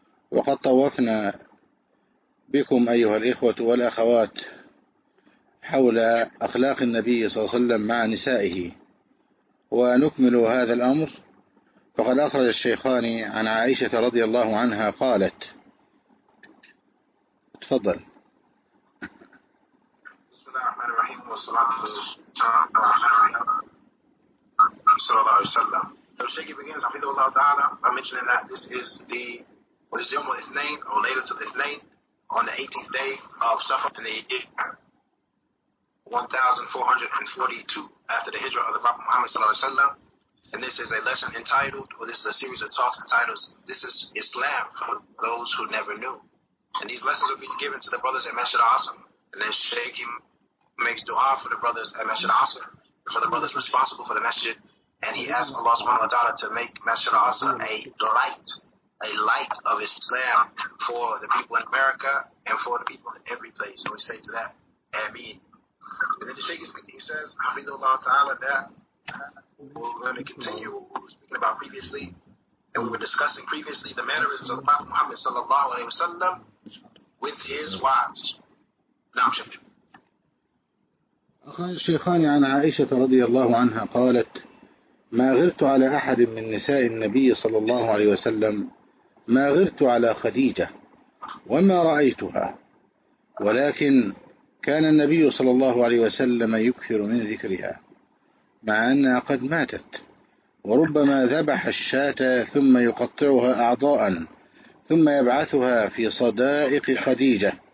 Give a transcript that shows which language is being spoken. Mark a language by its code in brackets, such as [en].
[ar] وقد طوفنا بكم أيها الإخوة والأخوات حول أخلاق النبي صلى الله عليه وسلم مع نسائه، ونكمل هذا الأمر. فقد أخرج الشيخان عن عائشة رضي الله عنها قالت، تفضل. بسم الله الرحمن الرحيم، والصلاة والسلام على صلى الله عليه وسلم. [en] The Shaykh begins, Hafidhullah Ta'ala, by mentioning that this is the Yom al-Ithnain, or later to the Ithnain, on the 18th day of Safar in the year 1442 after the Hijrah of the Prophet Muhammad Sallallahu Alaihi Wasallam. And this is a lesson entitled, or this is a series of talks entitled, This is Islam for Those Who Never Knew. And these lessons will be given to the brothers at Masjid al-Asr. And then Shaykh makes dua for the brothers at Masjid al-Asr, for the brothers responsible for the Masjid. And he asks Allah subhanahu wa ta'ala to make Masjid al-Asr a light of Islam for the people in America and for the people in every place. And we say to that, Ameen. And then the Shaykh, he says, Hafidhullah Ta'ala, that we're going to continue what we were speaking about previously. And we were discussing previously the mannerisms of the Prophet Muhammad sallallahu alayhi wa sallam with his wives. Now, [ar] الشيخان عن عائشة رضي الله عنها قالت، ما غرت على أحد من نساء النبي صلى الله عليه وسلم ما غرت على خديجة وما رأيتها، ولكن كان النبي صلى الله عليه وسلم يكثر من ذكرها مع أنها قد ماتت، وربما ذبح الشاة ثم يقطعها أعضاء ثم يبعثها في صدائق خديجة،